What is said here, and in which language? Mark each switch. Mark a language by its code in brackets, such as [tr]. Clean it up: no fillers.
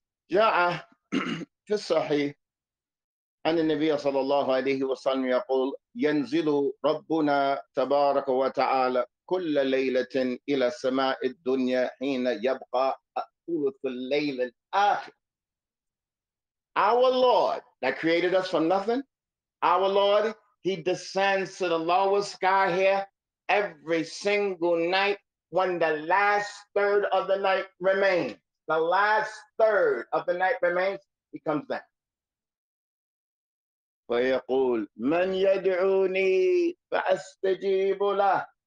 [ar] جاء في الصحيح أن النبي صلى الله عليه وسلم يقول ينزل ربنا تبارك وتعالى كل ليلة إلى سماء الدنيا حين يبقى ثلث الليل الآخر. [en] Our Lord that created us from nothing, our Lord, he descends to the lower sky here every single night when the last third of the night remains. The last third of the night remains, he comes down. [ar] فيقول من يدعوني فأستجيب له.